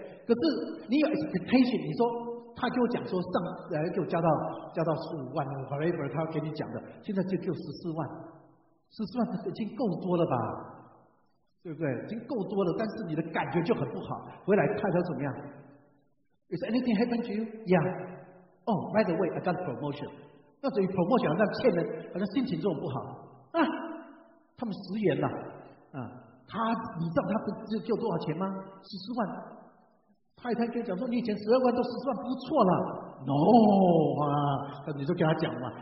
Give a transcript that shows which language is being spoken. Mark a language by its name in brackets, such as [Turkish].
[Chinese] 可是你有 expectation， 你说他给我讲说上来给我加到15万 whatever， 他要给你讲的，现在就只有14万，14万已经够多了吧，对不对？已经够多了，但是你的感觉就很不好。回来太太怎么样？ [English] Is anything happened to you? Yeah. Oh, by the way, I got a promotion. [Chinese] 那所以 promotion 好像欠人，好像心情这种不好啊。他们食言了，你知道他们只有多少钱吗？ 14万。太太跟你讲说，你以前12万都14万不错了。 No 啊，你就跟他讲嘛。